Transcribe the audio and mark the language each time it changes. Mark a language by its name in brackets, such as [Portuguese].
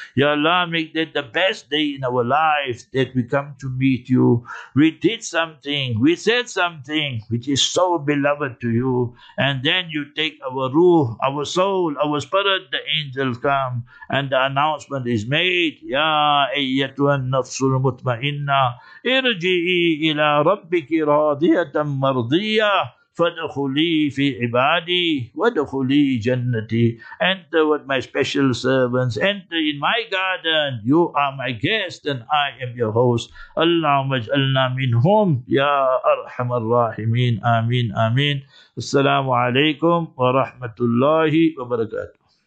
[English] Ya Allah, make that the best day in our life that we come to meet you. We did something, we said something which is so beloved to you. And then you take our ruh, our soul, our spirit, the angels come and the announcement is made. [Arabic] Ya ayyatuhan nafsul mutmainna irji'i ila رَبِّكِ رَاضِيَةً مَرْضِيَّةً فَدْخُلِي فِي عِبَادِي وَدْخُلِي جَنَّتِي. [English] Enter with my special servants. Enter in my garden. You are my guest and I am your host. [Arabic] اللَّهُمَّ اجْعَلْنَا مِنْهُمْ يَا أَرْحَمَ الرَّاحِمِينَ. Ameen, ameen. Assalamu alaikum wa rahmatullahi wa barakatuh.